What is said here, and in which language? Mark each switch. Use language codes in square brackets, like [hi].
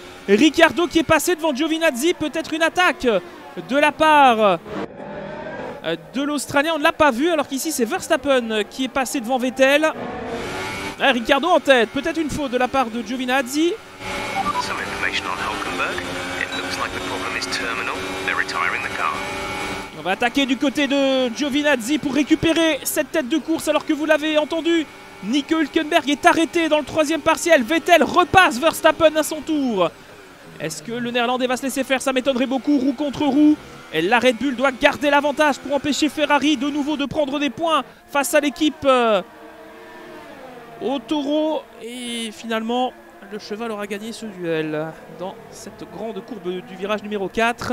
[fr] Ricciardo qui est passé devant Giovinazzi, peut-être une attaque de la part de l'Australien, on ne l'a pas vu alors qu'ici c'est Verstappen qui est passé devant Vettel. Ah, Ricciardo en tête, peut-être une faute de la part de Giovinazzi. [en] Some information on Hülkenberg. It looks like the problem is terminal. They're retiring the car. [fr] On va attaquer du côté de Giovinazzi pour récupérer cette tête de course alors que vous l'avez entendu. Nico Hülkenberg est arrêté dans le troisième partiel. Vettel repasse Verstappen à son tour. Est-ce que le Néerlandais va se laisser faire? Ça m'étonnerait beaucoup. Roue contre roue. Et la Red Bull doit garder l'avantage pour empêcher Ferrari de nouveau de prendre des points face à l'équipe au Toro, et finalement le cheval aura gagné ce duel dans cette grande courbe du virage numéro 4.